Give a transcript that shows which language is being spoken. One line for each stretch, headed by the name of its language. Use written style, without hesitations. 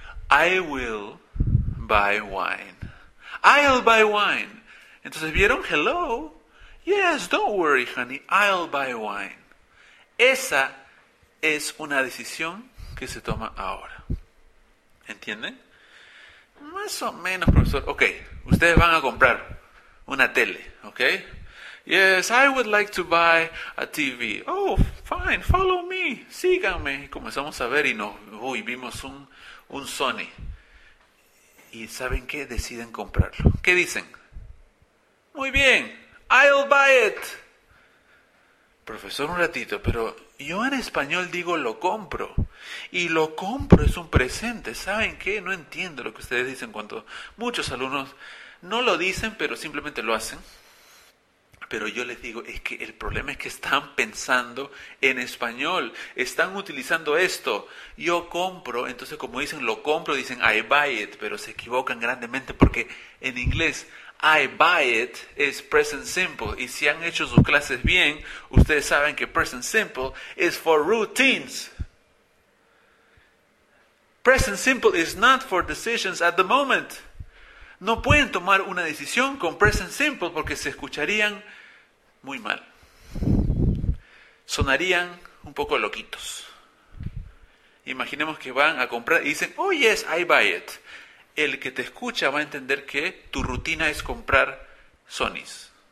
English: I will buy wine. I'll buy wine.
Spanish: Entonces, ¿vieron?
English: Hello. Yes, don't worry, honey. I'll buy wine.
Spanish: Esa es una decisión que se toma ahora. ¿Entienden? Más o menos, profesor. Ok, ustedes van a comprar una tele, ¿ok?
English: Yes, I would like to buy a TV. Oh, fine, follow me.
Spanish: Síganme. Comenzamos a ver y vimos un Sony. ¿Y saben qué? Deciden comprarlo. ¿Qué dicen? Muy bien,
English: I'll buy it.
Spanish: Profesor, un ratito, pero yo en español digo lo compro. Y lo compro es un presente. ¿Saben qué? No entiendo lo que ustedes dicen cuando muchos alumnos no lo dicen, pero simplemente lo hacen. Pero yo les digo, es que el problema es que están pensando en español. Están utilizando esto. Yo compro, entonces como dicen lo compro, dicen
English: I buy it.
Spanish: Pero se equivocan grandemente porque en inglés
English: I buy it
Spanish: es present simple. Y si han hecho sus clases bien, ustedes saben que
English: present simple is for routines. Present simple is not for decisions at the moment.
Spanish: No pueden tomar una decisión con present simple porque se escucharían muy mal. Sonarían un poco loquitos. Imaginemos que van a comprar y dicen,
English: oh yes, I buy it.
Spanish: El que te escucha va a entender que tu rutina es comprar Sonys.